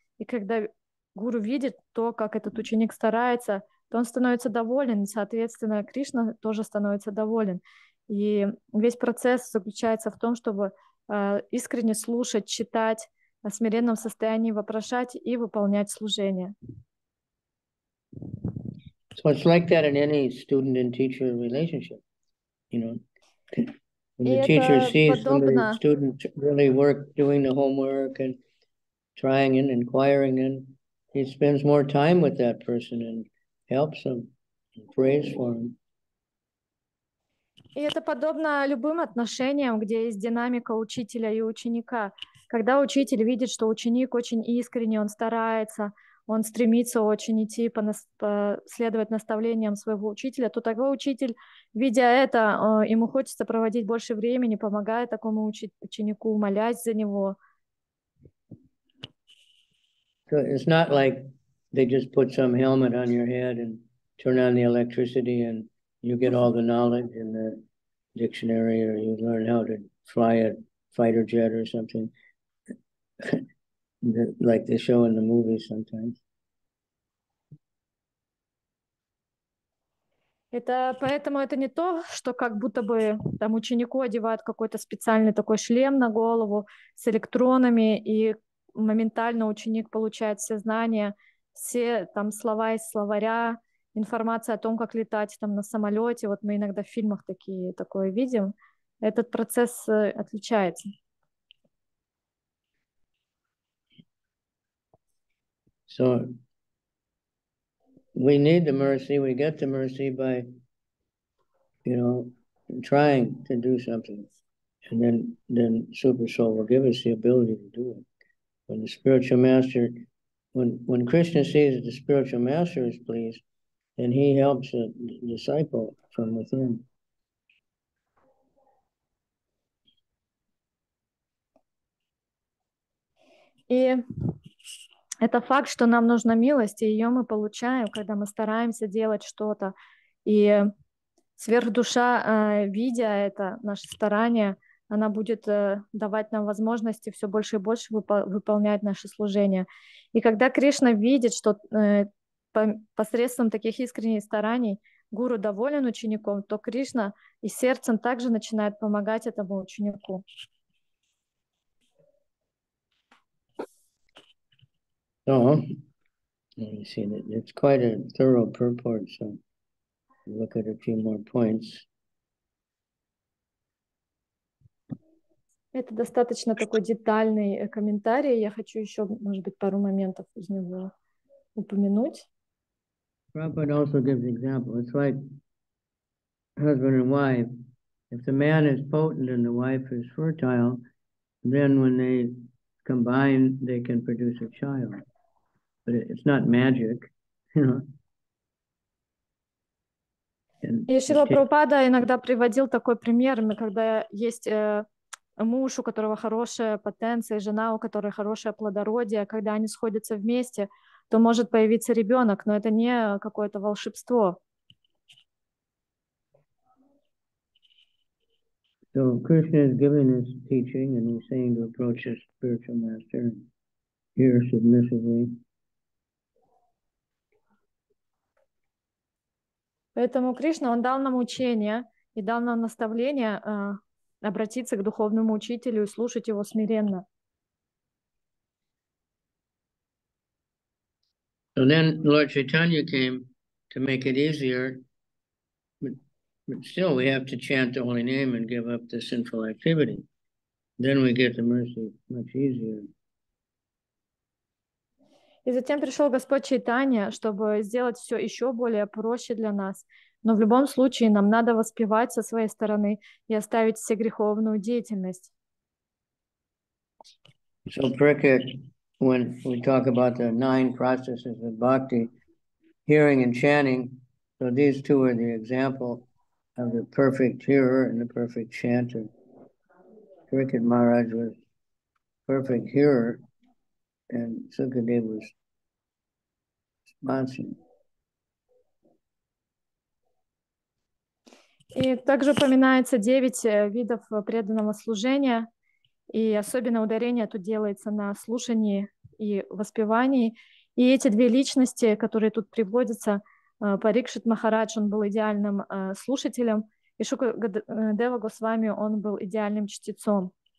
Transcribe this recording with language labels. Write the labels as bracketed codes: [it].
[ru] И когда гуру видит то, как этот ученик старается, то он становится доволен, и, соответственно, Кришна тоже становится доволен. И весь процесс заключается в том, чтобы искренне слушать, читать, в смиренном состоянии вопрошать и выполнять служение. [en] So it's like that in any student and teacher relationship, you know. When the teacher sees the student really work, doing the homework and trying and inquiring, and he spends more time with that person and helps him, and prays for him. [ru] И это подобно любым отношениям, где есть динамика учителя и ученика. Когда учитель видит, что ученик очень искренний, он старается. Он стремится очень идти следовать наставлениям своего учителя, то такой учитель, видя это, ему хочется проводить больше времени, помогая такому ученику, молясь за него. [en] So it's not like they just put some helmet on your head and turn on the electricity and you get all the knowledge in the dictionary or you learn how to fly a fighter jet or something. Like they show in the movies sometimes. [ru] Это поэтому это не то, что как будто бы там ученику одевают какой-то специальный такой шлем на голову с электронами, и моментально ученик получает все знания, все там слова из словаря, информация о том, как летать там на самолете. Вот мы иногда в фильмах такое видим. Этот процесс отличается. [en] So we need the mercy, we get the mercy by, you know, trying to do something. And then Super Soul will give us the ability to do it. When the spiritual master, when Krishna sees that the spiritual master is pleased, then he helps a disciple from within. Yeah. [ru] Это факт, что нам нужна милость, и ее мы получаем, когда мы стараемся делать что-то. И сверхдуша, видя это, наше старание, она будет давать нам возможности все больше и больше выполнять наше служение. И когда Кришна видит, что посредством таких искренних стараний гуру доволен учеником, то Кришна и сердцем также начинает помогать этому ученику. [en] Oh, you see, it's quite a thorough purport, so look at a few more points. [ru] Это достаточно такой детальный комментарий. Я хочу еще, может быть, пару моментов из него упомянуть. [en] Prabhupada also gives an example. It's like husband and wife. If the man is potent and the wife is fertile, then when they combine, they can produce a child. But it's not magic, you know. [ru] И Шрила Прабхупада иногда приводил такой пример, когда есть муж, у которого хорошая потенция, жена, у которой хорошее плодородие, когда они сходятся вместе, то может появиться ребенок, но это не какое-то волшебство. [en] So Krishna is giving his teaching and he's saying to approach his spiritual master and hear submissively. [ru] Поэтому Кришна, он дал нам учение и дал нам наставление обратиться к духовному учителю и слушать его смиренно. [en] So then Lord Chaitanya came to make it easier, but still we have to chant the holy name and give up the sinful activity. Then we get the mercy much easier. [ru] И затем пришел Господь Чайтанья, чтобы сделать все еще более проще для нас. Но в любом случае нам надо воспевать со своей стороны и оставить все греховную деятельность. [en] So Prakriti, when we talk about the nine processes of bhakti, hearing and chanting, so these two are the example of the perfect hearer and the perfect chanter. Prakriti Maharaj was perfect hearer and Sukadeva was responsible. [ru] И также упоминается девять видов преданного служения, и особенно ударение тут делается на слушании и воспевании. И эти две личности, которые тут приводятся, Парикшит Махарадж, он был идеальным слушателем, и Шукадева Госвами, он был идеальным чтецом.